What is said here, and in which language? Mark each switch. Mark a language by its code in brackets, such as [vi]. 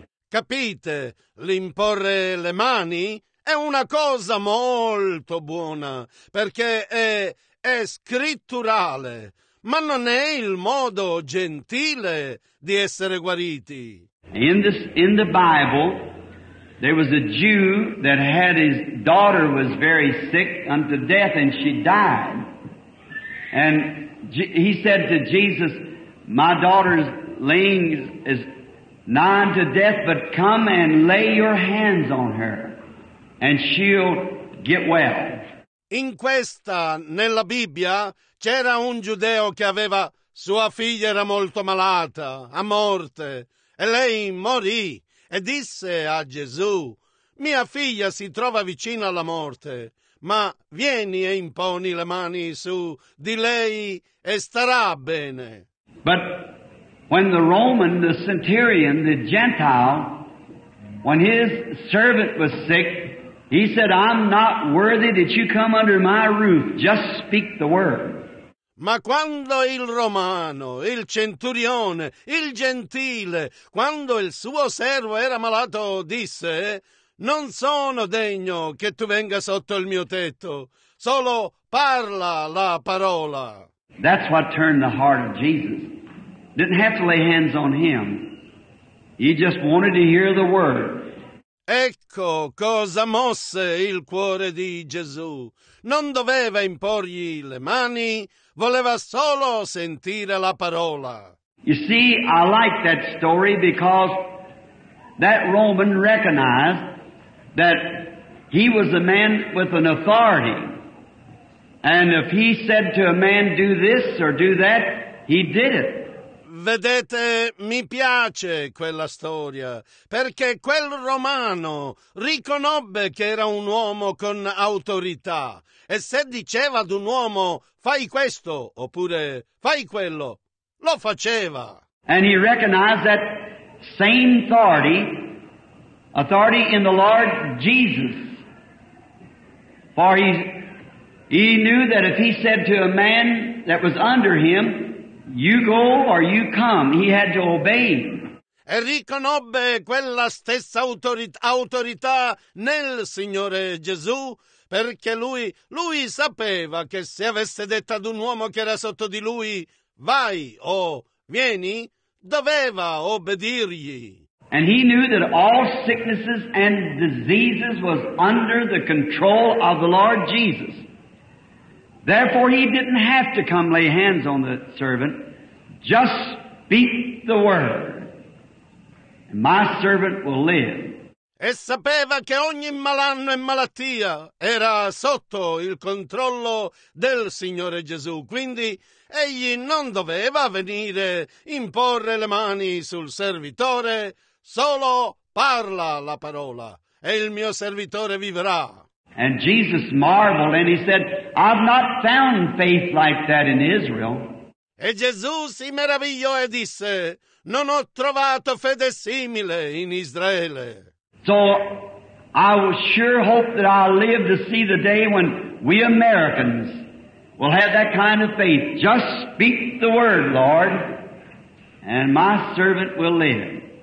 [it] Capite, l'imporre le mani è una cosa molto buona, perché è scritturale, ma non è il modo gentile di essere guariti. [en] In the Bible, there was a Jew that had his daughter was very sick unto death, and she died. And he said to Jesus, my daughter's laying is nigh unto death, but come and lay your hands on her, and she'll get well. [it] In questa, nella Bibbia, c'era un giudeo che aveva sua figlia era molto malata, a morte, e lei morì, e disse a Gesù, mia figlia si trova vicina alla morte, ma vieni e imponi le mani su di lei e starà bene. [en] But when the Roman, the centurion, the Gentile, when his servant was sick, he said, I'm not worthy that you come under my roof. Just speak the word. [it] Ma quando il romano, il centurione, il gentile, quando il suo servo era malato, disse: «Non sono degno che tu venga sotto il mio tetto, solo parla la parola». [en] That's what turned the heart of Jesus. Didn't have to lay hands on him. He just wanted to hear the word. [it] Ecco cosa mosse il cuore di Gesù. Non doveva imporgli le mani, voleva solo sentire la parola. [en] You see, I like that story because that Roman recognized that he was a man with an authority. And if he said to a man, do this or do that, he did it. [it] Vedete, mi piace quella storia, perché quel romano riconobbe che era un uomo con autorità. E se diceva ad un uomo, fai questo, oppure fai quello, lo faceva. [en] And he recognized that same authority, authority in the Lord Jesus. For he knew that if he said to a man that was under him, you go or you come, he had to obey. [it] E riconobbe quella stessa autorità nel Signore Gesù, perché lui sapeva che se avesse detto ad un uomo che era sotto di lui, vai o vieni, doveva obbedirgli. [en] And he knew that all sicknesses and diseases was under the control of the Lord Jesus. Therefore, he didn't have to come lay hands on the servant. Just speak the word, and my servant will live. [it] E sapeva che ogni malanno e malattia era sotto il controllo del Signore Gesù. Quindi egli non doveva venire imporre le mani sul servitore. Solo parla la parola, e il mio servitore vivrà. [en] And Jesus marveled, and he said, I've not found faith like that in Israel. [it] E Gesù si meravigliò e disse, non ho trovato fede simile in Israele. [en] So I sure hope that I'll live to see the day when we Americans will have that kind of faith. Just speak the word, Lord, and my servant will live.